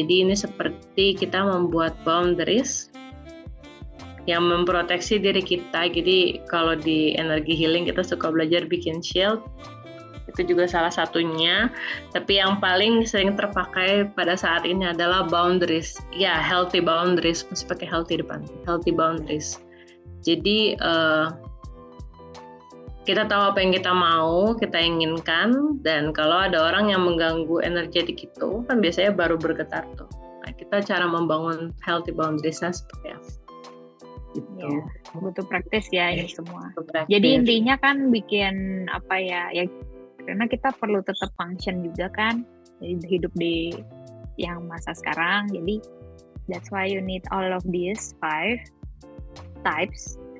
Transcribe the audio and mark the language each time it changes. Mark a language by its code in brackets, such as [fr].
[id] Jadi ini seperti kita membuat boundaries yang memproteksi diri kita. Jadi kalau di energi healing kita suka belajar bikin shield, itu juga salah satunya. Tapi yang paling sering terpakai pada saat ini adalah boundaries, ya, healthy boundaries. Mesti pakai healthy depan, healthy boundaries. Jadi kita tahu apa yang kita mau, kita inginkan, dan kalau ada orang yang mengganggu energetik itu kan biasanya baru bergetar tuh. Nah, kita cara membangun healthy boundaries-nya seperti apa? Gitu. Ya, butuh praktis ya ini semua. Jadi intinya kan bikin apa ya, ya karena kita perlu tetap function juga kan, jadi hidup di yang masa sekarang. Jadi [en] That's why you need all of these five types.